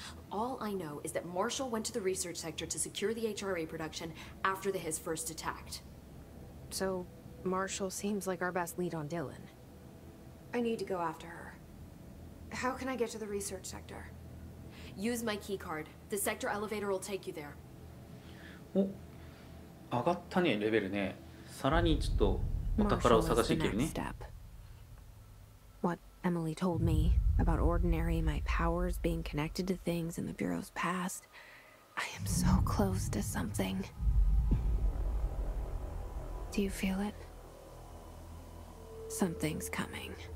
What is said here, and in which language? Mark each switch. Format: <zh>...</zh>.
<en>All I know is that Marshall went to the research sector to secure the HRA production after the HIS first attacked. So, Marshall seems like our best lead on Dylan. I need to go after her. How can I get to the research sector? Use my keycard. The sector elevator will take you there.</en> <ja>お、上がったね、レベルね。さらにちょっとお宝を探していけるね。</ja> <en>What Emily told me about ordinary, my powers being connected to things in the Bureau's past. I am so close to something. Do you feel it? Something's coming.</en>